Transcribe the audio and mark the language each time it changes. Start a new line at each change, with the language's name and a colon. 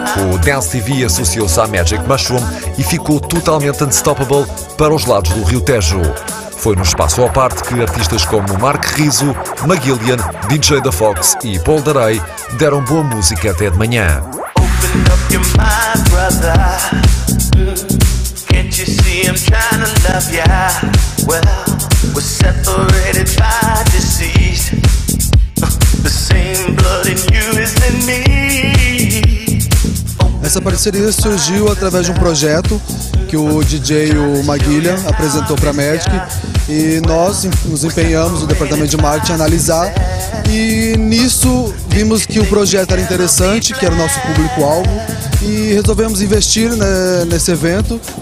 Portuguese: O Dance TV associou-se à Magic Mushroom e ficou totalmente unstoppable para os lados do Rio Tejo. Foi no espaço à parte que artistas como Mark Rizzo, Magillian, DJ da Fox e Paul Darey deram boa música até de manhã.
English: Open up your mind, brother. Can't you see I'm trying to love ya? Well, we're separated by disease. The same blood in you is in me.
Portuguese: Essa parceria surgiu através de um projeto que o DJ Magillian apresentou para a Magic e nós nos empenhamos, o departamento de marketing, a analisar. E nisso vimos que o projeto era interessante, que era o nosso público-alvo, e resolvemos investir nesse evento.